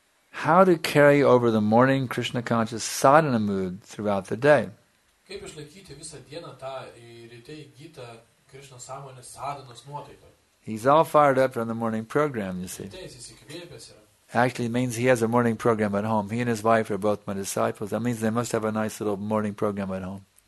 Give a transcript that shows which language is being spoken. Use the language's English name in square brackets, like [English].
[English] How to carry over the morning Krishna conscious sadhana mood throughout the day? [Lithuanian] Kaip išlaikyti visą dieną tą ryte įgytą Krishna sąmonės sadhanos nuotaiką? [English] He's all fired up from the morning program, you see. Actually, it means he has a morning program at home. He and his wife are both my disciples. That means they must have a nice little morning program at home.